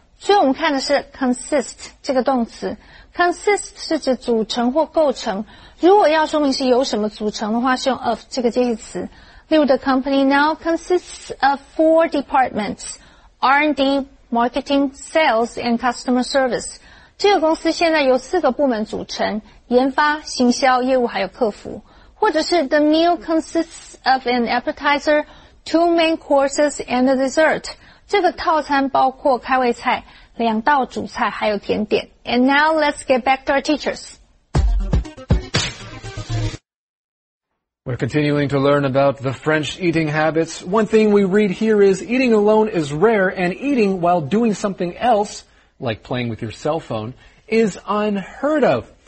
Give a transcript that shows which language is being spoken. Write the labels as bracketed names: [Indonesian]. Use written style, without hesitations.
[Chinese] 所以我们看的是 consist 这个动词。Consist 是指组成或构成，如果要说明是由什么组成的话，是用 of 这个介系词。例如 [English] The company now consists of four departments, R&D, Marketing, Sales, and Customer Service. [Chinese] 这个公司现在由四个部门组成，研发、行销、业务还有客服。或者是 [English] The meal consists of an appetizer, two main courses, and a dessert. [Chinese] 这个套餐包括开胃菜、两道主菜还有甜点。 [English] And now let's get back to our teachers. We're continuing to learn about the French eating habits. One thing we read here is eating alone is rare, and eating while doing something else, like playing with your cell phone, is unheard of.